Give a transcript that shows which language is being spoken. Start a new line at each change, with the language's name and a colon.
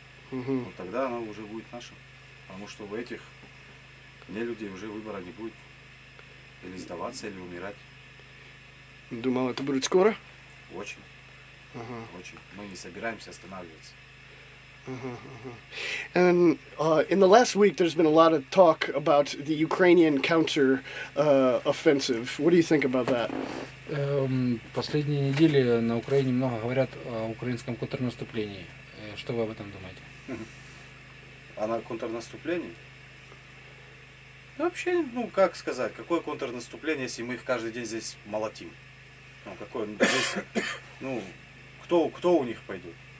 Russian: uh-huh. Вот тогда оно уже будет нашим. Потому что у этих нелюдей уже выбора не будет. Или сдаваться, или умирать. Думал, это будет скоро? Очень. Uh-huh. Очень. Мы не собираемся останавливаться. Uh-huh.
English: And in the last week there's been a lot of talk about the Ukrainian counter offensive. What do you think about that?
Russian: Последние недели на Украине много говорят о украинском контрнаступлении. Что вы об этом думаете? А на контрнаступлении? Вообще, ну как сказать, какое контрнаступление, если мы их каждый день здесь молотим? Ну какое здесь, ну кто у них пойдет?